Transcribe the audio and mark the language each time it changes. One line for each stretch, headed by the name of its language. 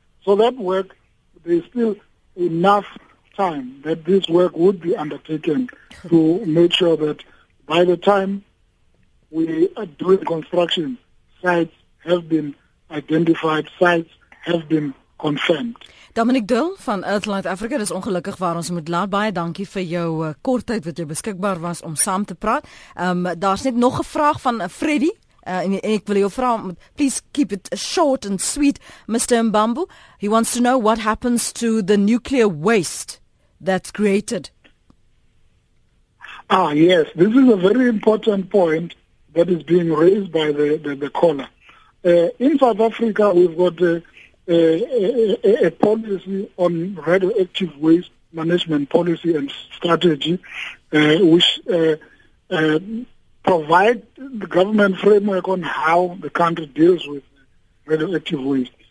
English: So that work, there is still enough time that this work would be undertaken to make sure that by the time we are doing construction, sites have been identified, sites have been confirmed.
Afrikaans: Dominic Dill van Earthland Africa, dis ongelukkig waar ons moet laat. Baie dankie vir jou kort tyd wat jy beskikbaar was om saam te praat. Daar's net nog 'n vraag van Freddy. En ek wil jou vra,
English: please keep it short and sweet, Mr. Mbambu. He wants to know what happens to the nuclear waste that's created. Ah, yes. This is a very important point that is being raised by the caller. In South Africa, we've got a policy on radioactive waste management policy and strategy, which provide the government framework on how the country deals with radioactive waste.